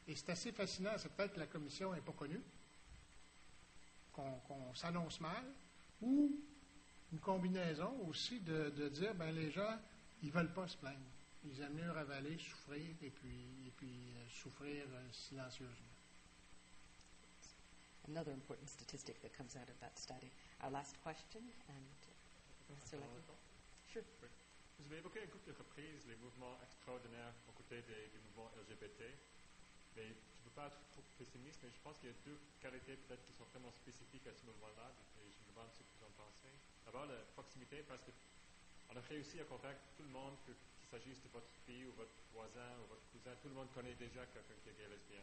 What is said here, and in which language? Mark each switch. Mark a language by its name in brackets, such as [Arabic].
[French] Et c'est assez fascinant, c'est peut-être que la commission n'est pas connue, qu'on s'annonce mal, ou une combinaison aussi de dire, ben les gens, ils ne veulent pas se plaindre. Ils aiment mieux ravaler, souffrir, et puis souffrir silencieusement. [English] Another important statistic that comes out of that study. Our last question, and Mr. Lacky. Sure. [French] Vous avez évoqué à quelques reprises les mouvements extraordinaires aux côtés des mouvements LGBT. Mais je ne veux pas être trop pessimiste, mais je pense qu'il y a deux qualités peut-être qui sont vraiment spécifiques à ce mouvement-là, et je me demande ce que vous en pensez. D'abord, la proximité, parce qu'on a réussi à convaincre tout le monde, qu'il s'agisse de votre fille ou votre voisin ou votre cousin, tout le monde connaît déjà quelqu'un qui est gay lesbien.